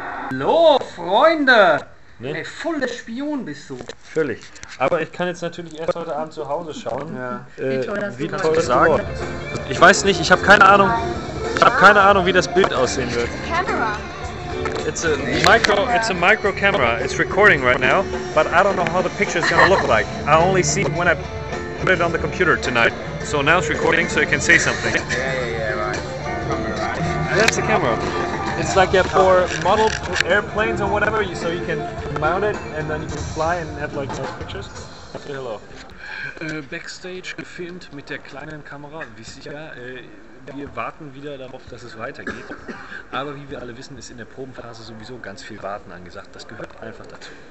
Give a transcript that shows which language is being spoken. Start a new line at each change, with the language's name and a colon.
German: Hallo, Freunde! Ne? Ey, voll der Spion bist du. Völlig. Aber ich kann jetzt natürlich erst heute Abend zu Hause schauen, wie toll das geworden ist. Ich weiß nicht, ich habe keine Ahnung. Ich habe keine Ahnung, wie das Bild aussehen wird.
English: It's a micro camera. It's recording right now. But I don't know how the picture is going to look like. I only see it when I put it on the computer tonight. So now it's recording, so it can say something. Yeah, right. That's the camera. It's like for model airplanes or whatever, so you can mount it and then you can fly and have like nice pictures. Say hello.
German: Backstage gefilmt mit der kleinen Kamera, wie sicher. Wir warten wieder darauf, dass es weitergeht. Aber wie wir alle wissen, ist in der Probenphase sowieso ganz viel Warten angesagt. Das gehört einfach dazu.